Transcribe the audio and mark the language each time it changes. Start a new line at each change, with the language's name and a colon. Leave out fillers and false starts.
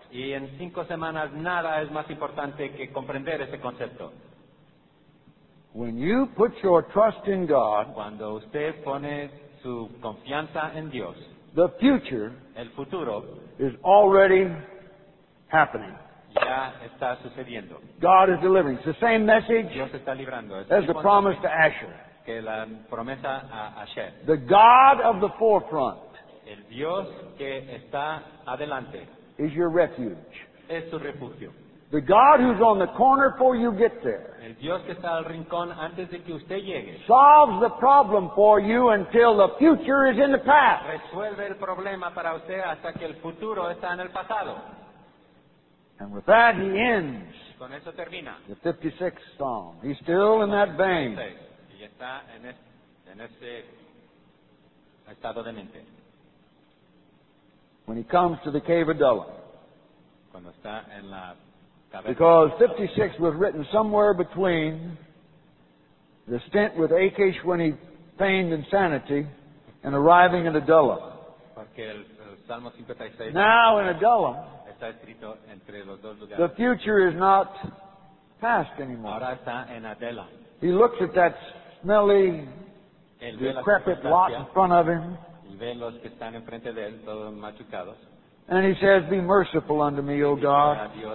Spanish: Y en 5 semanas, nada es más importante que comprender ese concepto.
English: When you put your trust in God,
Spanish: cuando usted pone su confianza en Dios,
English: the future,
Spanish: el futuro,
English: is already happening.
Spanish: Ya está sucediendo.
English: God is delivering. It's the same message
Spanish: Dios está librando. Es
English: as the promise to Asher.
Spanish: Que la promesa a Asher.
English: The God of the forefront,
Spanish: el Dios que está adelante,
English: is your refuge.
Spanish: Es su refugio.
English: The God who's on the corner before you get there,
Spanish: el Dios que está al rincón antes de que usted llegue,
English: solves the problem for you until the future is in the past.
Spanish: Resuelve el problema para usted hasta que el futuro está en el pasado.
English: And with that, he ends
Spanish: con eso termina
English: the 56th Psalm. He's still in that vein.
Spanish: Y está en ese estado de mente.
English: When he comes to the cave of Adullam,
Spanish: cuando está en la
English: because 56 was written somewhere between the stint with Achish when he feigned insanity and arriving in Adullam.
Spanish: Porque el Salmo 56
English: now in Adullam,
Spanish: está escrito entre los dos lugares.
English: The future is not past anymore.
Spanish: Ahora está en Adullam.
English: He looks at that smelly,
Spanish: el
English: decrepit lot in front of him.
Spanish: Y ve los que están enfrente de él, todos machucados.
English: And he says, be merciful unto me, O God.